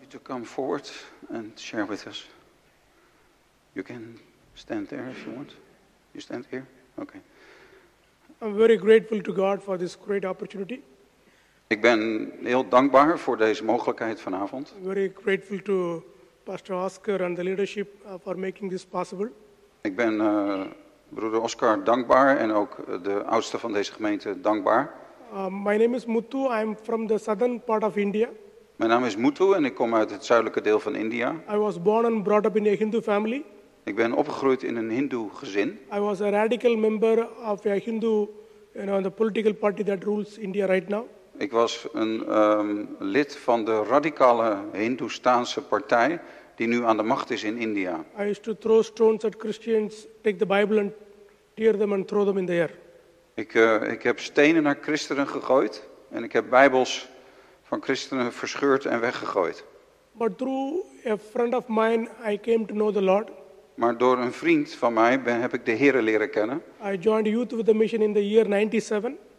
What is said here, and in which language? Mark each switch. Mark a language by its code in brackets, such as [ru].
[en] come forward and share with us. You can stand there if you want. You stand here? Okay. I'm very grateful to God for this great opportunity. [nl] Ik ben heel dankbaar voor deze mogelijkheid vanavond. [en] I'm very grateful to Pastor Oscar and the leadership for making this possible. [nl] Ik ben broeder Oscar dankbaar en ook de oudste van deze gemeente dankbaar. [en] My name is Muthu. I'm from the southern part of India. [nl] Mijn naam is Muthu en ik kom uit het zuidelijke deel van India. [en] I was born and brought up in a Hindu family. [nl] Ik ben opgegroeid in een Hindoe gezin. [en] I was a radical member of a Hindu, you know, the political party that rules India right now. [nl] Ik was een lid van de radicale Hindoestaanse partij die nu aan de macht is in India. [en] I used to throw stones at Christians, take the Bible and tear them and throw them in the air. [nl] Ik heb stenen naar christenen gegooid en ik heb Bijbels van christenen verscheurd en weggegooid. [en] But through a friend of mine, I came to know the Lord. [nl] Maar door een vriend van mij heb ik de Here leren kennen. [en] I joined Youth with a Mission in the year 97.